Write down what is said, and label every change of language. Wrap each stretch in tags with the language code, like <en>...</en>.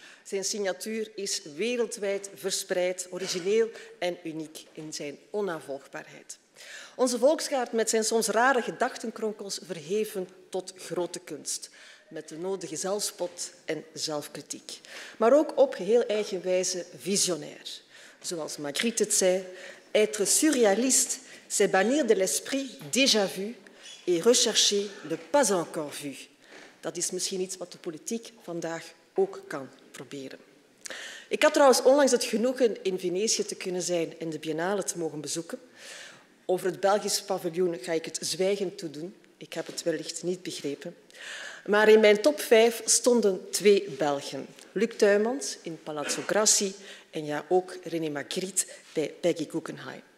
<nl>Zijn signatuur is wereldwijd verspreid, origineel en uniek in zijn onnavolgbaarheid. Onze volksgaard met zijn soms rare gedachtenkronkels verheven tot grote kunst, met de nodige zelfspot en zelfkritiek. Maar ook op heel eigen wijze visionair. Zoals Magritte het zei,</nl> <fr>être surréaliste, c'est bannir de l'esprit déjà vu et rechercher le pas encore vu.</fr> <nl>Dat is misschien iets wat de politiek vandaag ook kan proberen. Ik had trouwens onlangs het genoegen in Venetië te kunnen zijn en de Biennale te mogen bezoeken. Over het Belgisch paviljoen ga ik het zwijgend toe doen. Ik heb het wellicht niet begrepen. Maar in mijn top 5 stonden 2 Belgen. Luc Tuymans in Palazzo Grassi en ja, ook René Magritte bij Peggy Guggenheim.</nl>